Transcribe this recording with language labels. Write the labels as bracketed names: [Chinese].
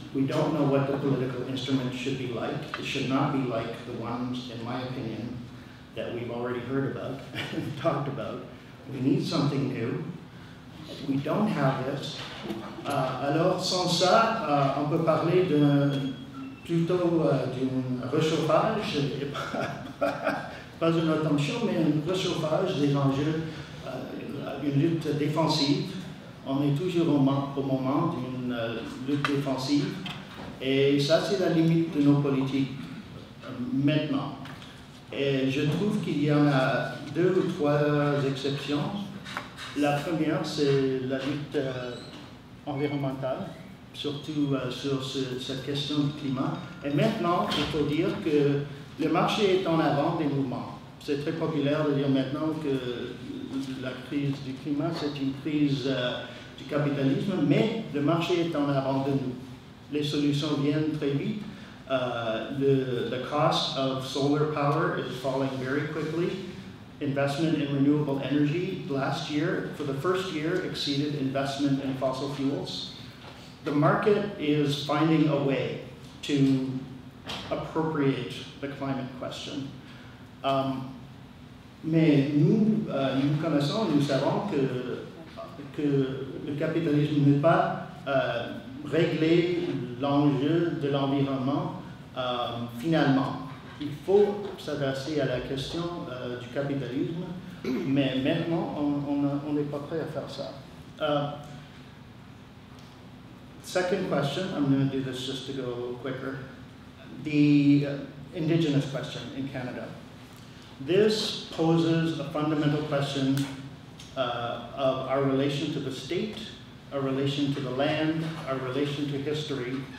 [English] We don't know what the political instrument should be like. It should not be like the ones, in my opinion, that we've already heard about and talked about. We need something new. We don't have this. [French] Alors sans ça, on peut parler de plutôt d'un réchauffage, pas une attention, mais un réchauffage des enjeux, une lutte défensive. On est toujours au moment d'une lutte défensive, et ça c'est la limite de nos politiques maintenant. Et je trouve qu'il y en a deux ou trois exceptions. La première, c'est la lutte environnementale, surtout sur cette question du climat. Et maintenant, il faut dire que le marché est en avant des mouvements. C'est très populaire de dire maintenant que la crise du climat, c'est une crise du capitalisme, mais le marché est en avant de nous. Les solutions viennent très vite. [English] The cost of solar power is falling very quickly. Investment in renewable energy last year, for the first year, exceeded investment in fossil fuels. The market is finding a way to appropriate the climate question. [French] Mais nous connaissons, nous savons que le capitalisme n'est pas réglé l'enjeu de l'environnement finalement. Il faut s'adresser à la question du capitalisme, mais maintenant, on n'est pas prêt à faire ça. [English] Second question, I'm going to do this just to go quicker. The indigenous question in Canada. This poses a fundamental question of our relation to the state, our relation to the land, our relation to history.